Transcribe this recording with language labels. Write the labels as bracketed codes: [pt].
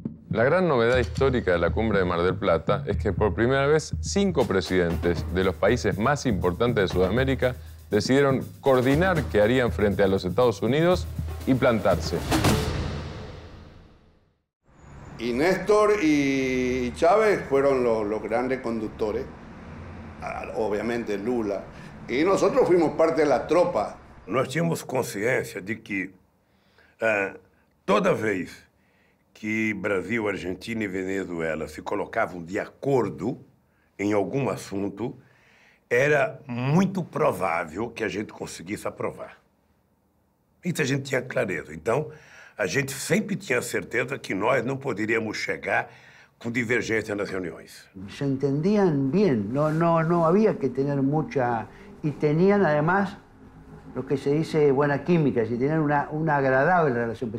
[es] La gran novedad histórica de la cumbre de Mar del Plata es que por primera vez 5 presidentes de los países más importantes de Sudamérica decidieron coordinar qué harían frente a los Estados Unidos y plantarse. Y Néstor y Chávez fueron los grandes conductores, obviamente Lula, y nosotros fuimos parte de la tropa. Nos tuvimos conciencia de que toda vez que Brasil, Argentina [pt] e Venezuela se colocavam de acordo em algum assunto, era muito provável que a gente conseguisse aprovar. Isso a gente tinha clareza. Então, a gente sempre tinha certeza que nós não poderíamos chegar [es] con divergencia en las reuniones. Se entendían bien, no había que tener mucha... Y tenían, además, lo que se dice buena química, y tenían una agradable relación.